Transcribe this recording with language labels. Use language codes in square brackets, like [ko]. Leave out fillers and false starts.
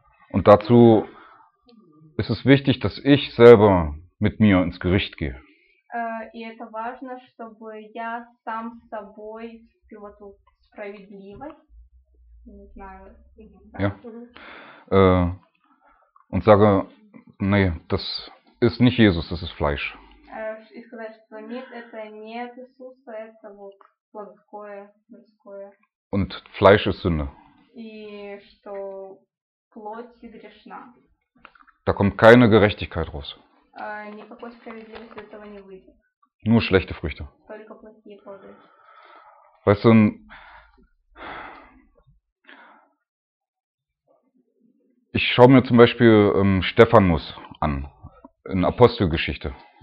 [de] Und dazu ist es wichtig, dass ich selber mit mir ins Gericht gehe. [ru] И это важно, чтобы я сам с собой пил эту справедливость. Не знаю. [de] Ja. Und sage, nee, das ist nicht Jesus, das ist Fleisch. [ru] И сказать, что нет, это не Иисус, это вот плотское, мирское. [de] Und Fleisch ist Sünde. [ru] И что плоти грешна. [de] Da kommt keine Gerechtigkeit raus. [ru] Никакой справедливости из этого не выйдет. [de] Nur schlechte Früchte. [ru] Только плохие плоды. [de] Weißt du, ich schaue mir zum Beispiel Stephanus an, in Apostelgeschichte.